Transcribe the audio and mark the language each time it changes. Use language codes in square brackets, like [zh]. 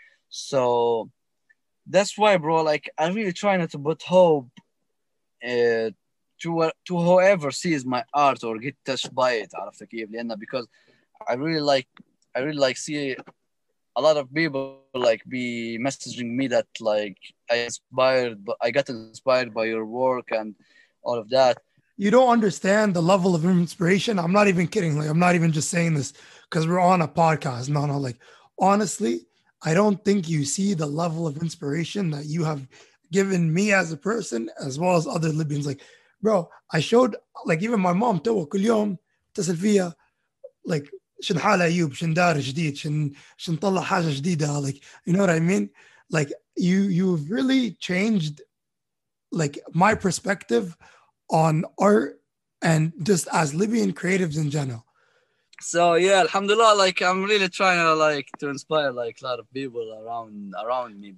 [en] So that's why, bro, like I really try not to put hope to whoever sees my art or get touched by it out of the Kyiv Lena, because I really like see a lot of people like be messaging me that like I got inspired by your work and all of that. You don't understand the level of inspiration. I'm not even kidding. Like, I'm not even just saying this because we're on a podcast. No. Like, honestly, I don't think you see the level of inspiration that you have given me as a person, as well as other Libyans. Like, bro, I showed, like, even my mom, [ar] توا كل يوم تصل فيها, like, شن حال أيوب, شن دار جديد, شن طلع حاجة جديدة. [en] Like, you know what I mean? Like, you've really changed, like, my perspective on art and just as Libyan creatives in general. So yeah, alhamdulillah, like I'm really trying to like to inspire like a lot of people around me.